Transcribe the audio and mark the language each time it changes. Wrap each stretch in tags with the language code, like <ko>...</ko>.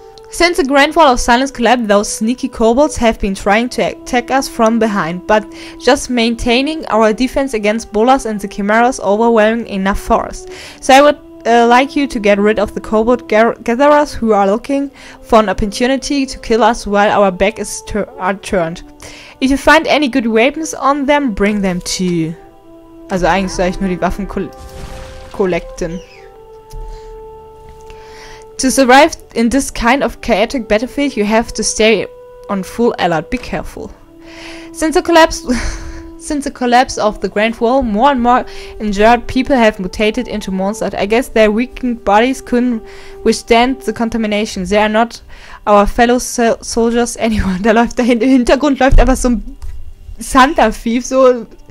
<en>Since the Grand Wall of Silence collapsed, those sneaky kobolds have been trying to attack us from behind, but just maintaining our defense against bolas and the chimeras overwhelming enough force. So I would like you to get rid of the kobold gatherers who are looking for an opportunity to kill us while our back is turned. If you find any good weapons on them, bring them too.</en> <de>Also eigentlich soll ich nur die Waffen collecten.</de> <en>To survive in this kind of chaotic battlefield, you have to stay on full alert. Be careful. Since the collapse of the Grand Wall, more and more injured people have mutated into monsters. I guess their weakened bodies couldn't withstand the contamination. They are not our fellow soldiers anymore.</en> <de>Da läuft dahinter, im Hintergrund läuft einfach so ein Santa-Thief, so.</de>